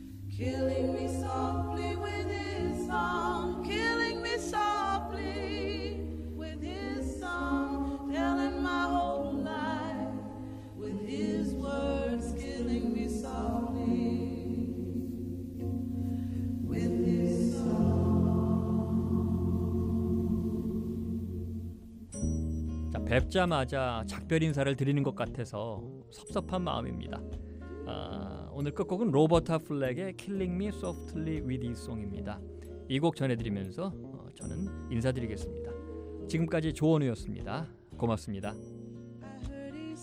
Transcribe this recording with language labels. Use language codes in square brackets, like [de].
[en] Killing me softly with his song, killing me softly with his song, telling my whole life with his words, killing me softly with his song. [ko] 자, 뵙자마자 작별 인사를 드리는 것 같아서 섭섭한 마음입니다. 오늘 끝곡은 로버타 플렉의 Killing Me Softly With His Song입니다. 이 곡 전해드리면서 저는 인사드리겠습니다. 지금까지 조원우였습니다. 고맙습니다. [en] I heard it.